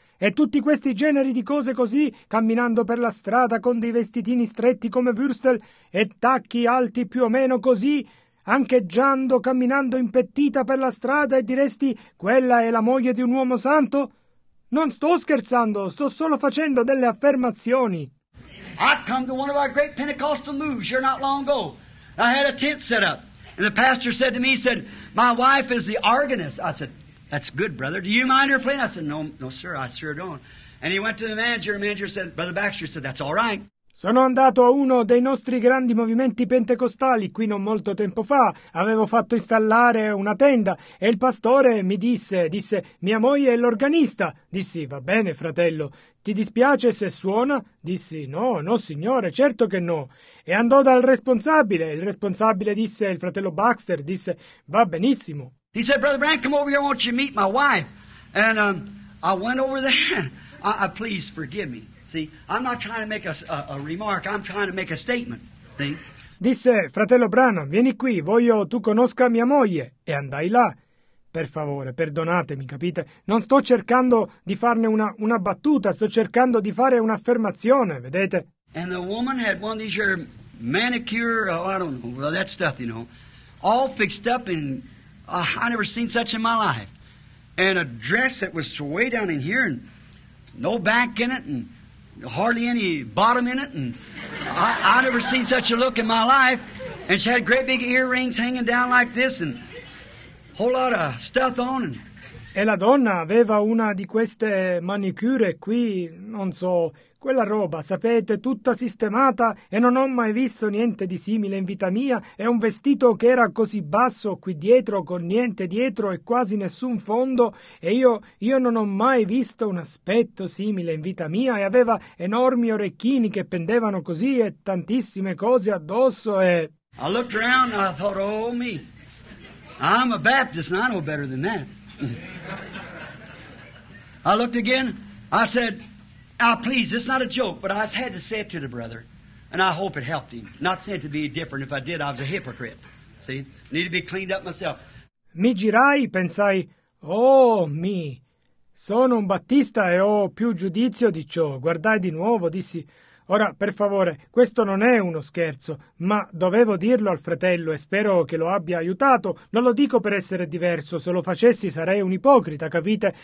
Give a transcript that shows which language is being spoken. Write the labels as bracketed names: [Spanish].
[Italian] e tutti questi generi di cose così, camminando per la strada con dei vestitini stretti come Würstel, e tacchi alti più o meno così, ancheggiando, camminando impettita per la strada, e diresti, quella è la moglie di un uomo santo? Non sto scherzando, sto solo facendo delle affermazioni. [English] I come to one of our great Pentecostal moves here not long ago. I had a tent set up, and the pastor said to me, he said, my wife is the organist. I said, that's good, brother. Do you mind her playing? I said, no, sir, I sure don't. And he went to the manager said, Brother Baxter said, that's all right. [Italian] Sono andato a uno dei nostri grandi movimenti pentecostali qui non molto tempo fa. Avevo fatto installare una tenda e il pastore mi disse, mia moglie è l'organista. Dissi, va bene, fratello, ti dispiace se suona? Dissi, no, signore, certo che no. E andò dal responsabile. Il responsabile disse, il fratello Baxter, disse, va benissimo. [English] He said, Brother Brandt, come over here, won't you meet my wife? And I went over there. Please forgive me. See, I'm not trying to make a remark, I'm trying to make a statement. [Italian] Disse, fratello Branham, vieni qui, voglio tu conosca mia moglie. E andai là. Per favore, perdonatemi, capite? Non sto cercando di farne una battuta, sto cercando di fare un'affermazione, vedete? [English] And the woman had one of these your manicure, that stuff, you know, all fixed up in, I never seen such in my life. And a dress that was way down in here and no back in it and hardly any bottom in it, and I never seen such a look in my life. And she had great big earrings hanging down like this, and whole lot of stuff on. [Italian] E la donna aveva una di queste manicure qui, non so, quella roba, sapete, tutta sistemata, e non ho mai visto niente di simile in vita mia. E un vestito che era così basso qui dietro, con niente dietro e quasi nessun fondo, e io non ho mai visto un aspetto simile in vita mia. E aveva enormi orecchini che pendevano così e tantissime cose addosso, e [English] I looked around and I thought, oh me, I'm a Baptist and I know better than that. I looked again, I said, now please, it's not a joke, but I had to say it to the brother, and I hope it helped him. Not saying to be different, if I did, I was a hypocrite. See, need to be cleaned up myself. [Italian] Mi girai, pensai, oh me, sono un battista e ho più giudizio di ciò. Guardai di nuovo, dissi, ora, per favore, questo non è uno scherzo, ma dovevo dirlo al fratello e spero che lo abbia aiutato. Non lo dico per essere diverso, se lo facessi sarei un ipocrita, capite?